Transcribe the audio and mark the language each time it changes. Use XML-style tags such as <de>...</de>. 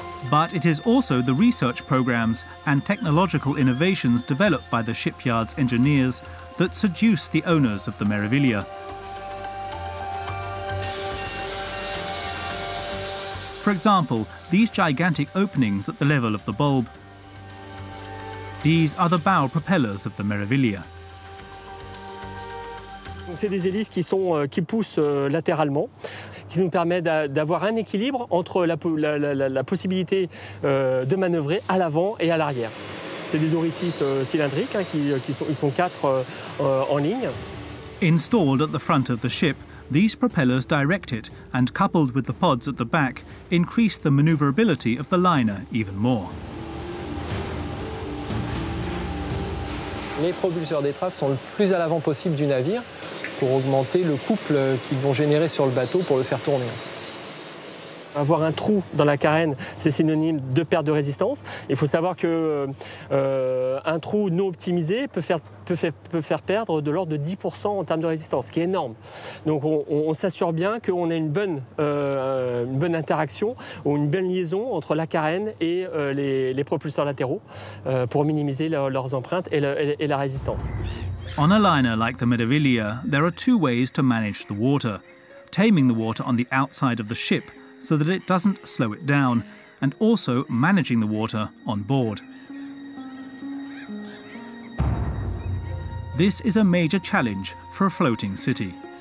<en>But it is also the research programs and technological innovations developed by the shipyard's engineers that seduce the owners of the Meraviglia. For example, these gigantic openings at the level of the bulb. These are the bow propellers of the Meraviglia.</en> <fr>Donc c'est des hélices qui poussent latéralement, qui nous permet d'avoir un équilibre entre la possibilité de manœuvrer à l'avant et à l'arrière. C'est des orifices cylindriques hein, qui sont quatre en ligne. Installed at the front of the ship, these propellers direct it and coupled with the pods at the back increase the maneuverability of the liner even more. Les propulseurs d'étrave sont le plus à l'avant possible du navire pour augmenter le couple qu'ils vont générer sur le bateau pour le faire tourner. Avoir un trou dans la carène, c'est synonyme de perte de résistance. Il faut savoir que un trou non optimisé peut faire perdre de l'ordre de 10% en termes de résistance, ce qui est énorme. Donc on s'assure bien qu'on a une bonne interaction ou une bonne liaison entre la carène et les propulseurs latéraux pour minimiser leurs empreintes et la résistance.</fr> <en>On a liner like the Meraviglia, there are two ways to manage the water. Taming the water on the outside of the ship so that it doesn't slow it down, and also managing the water on board. This is a major challenge for a floating city.</en>